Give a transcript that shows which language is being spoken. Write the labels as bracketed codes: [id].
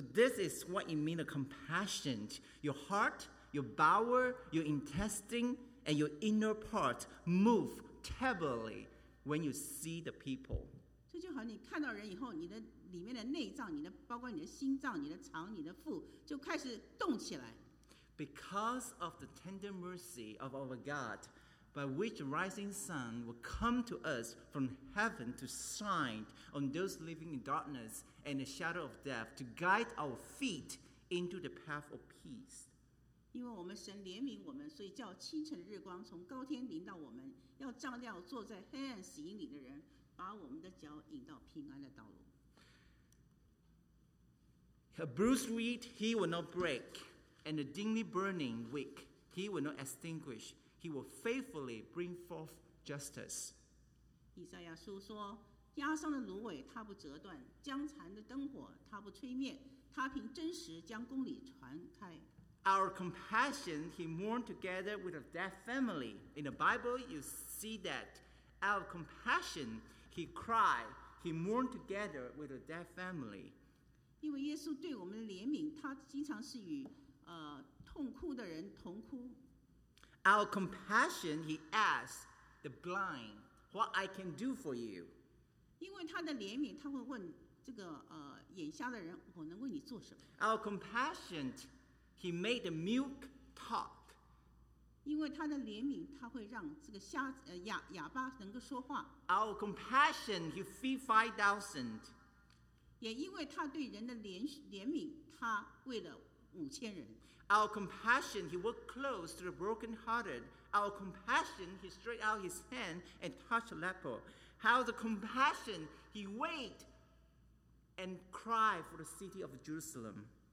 [en] So this is what it means: compassion. Your heart, your bowel, your intestine, and your inner part move terribly when you see the people. [zh] 这就好像你看到人以后，你的里面的内脏，你的包括你的心脏、你的肠、你的腹，就开始动起来。 [en] Because of the tender mercy of our God, by which rising sun will come to us from heaven to shine on those living in darkness and the shadow of death, to guide our feet into the path of peace. [zh] 因为我们神怜悯我们，所以叫清晨的日光从高天临到我们，要照亮坐在黑暗死荫里的人，把我们的脚引到平安的道路。 [en] A bruised reed he will not break, and a dimly burning wick he will not extinguish. He will faithfully bring forth justice. [zh] 以赛亚书说，压伤的芦苇他不折断，将残的灯火他不吹灭，他凭真实将公理传开。 [en] Our compassion he mourned together with a dead family. In the Bible you see that. Our compassion he cried, He mourned together with the dead family. [zh] 因为耶稣对我们的怜悯，他经常是与痛哭的人同哭。 [en] Out of compassion, he asked the blind, "What I can do for you?" [zh] 因为他的怜悯，他会问这个眼瞎的人，我能为你做什么 [en] ？Out of compassion, he made the mute talk. [zh] 因为他的怜悯，他会让这个瞎哑巴能够说话。 [en] Out of compassion, he feed 5,000. [zh] 也因为他对人的怜悯，他为了5,000人。 [en] Out of compassion, he walked close to the brokenhearted. Out of compassion, he stretched out his hand and touched the leper. Out of compassion, he waited and cried for the city of Jerusalem.